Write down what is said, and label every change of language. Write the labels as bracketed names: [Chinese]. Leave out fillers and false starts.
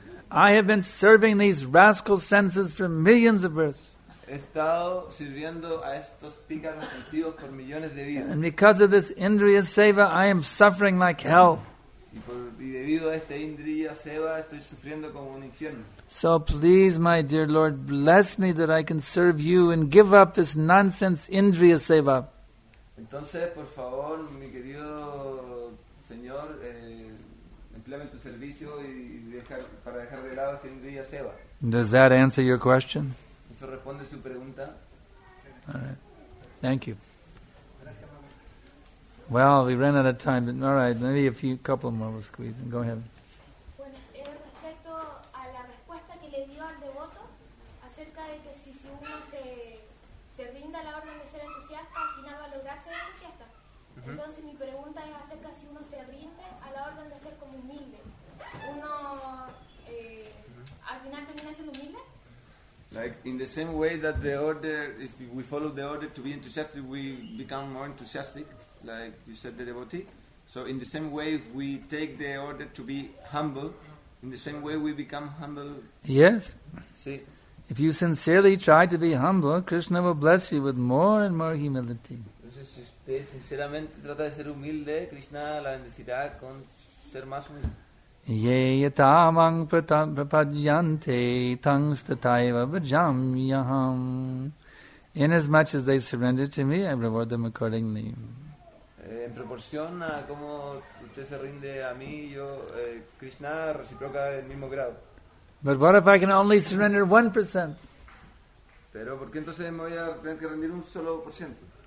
[English] I have been serving these rascal senses for millions of births. [Spanish] He estado sirviendo a estos pícaros sentidos por millones de vidas. [English] And because of this Indriya Seva, I am suffering like hell. [Spanish] Y debido a este Indriya Seva, estoy sufriendo como un infierno. [English] So please, my dear Lord, bless me that I can serve you and give up this nonsense Indriya Seva. [Spanish] Entonces, por favor, mi querido Señor, empleame tu servicio y dejar, para dejar de lado este Indriya Seva. [English] Does that answer your question? [Spanish] Responde su pregunta. [English] All right. Thank you. Well, we ran out of time, but all right, maybe a few couple more we'll squeeze in. Go ahead. [Spanish] Bueno, respecto a la respuesta que le dio al devoto acerca de que si uno se rinda la orden de ser entusiasta, al final va a lograr ser entusiasta. Entonces mi pregunta es acerca si uno se rinde a la orden de ser como humilde. Uno al final termina siendo humilde. [English] Like in the same way that the order, if we follow the order to be enthusiastic, we become more enthusiastic, like you said, the devotee. So in the same way, if we take the order to be humble, in the same way we become humble. Yes. See? If you sincerely try to be humble, Krishna will bless you with more and more humility. [Spanish] Entonces, si usted sinceramente trata de ser humilde, Krishna la bendecirá con ser más humilde. [Sanskrit] Ye yatamang prapadyante tangs tataiva vajamyaham. [English] Inasmuch as they surrender to me, I reward them accordingly. [Spanish] En proporción a cómo usted se rinde a mí, yo, Krishna, reciproca del mismo grado. [English] But what if I can only surrender 1%? [Spanish] Pero ¿por qué entonces me voy a tener que rendir un solo por ciento?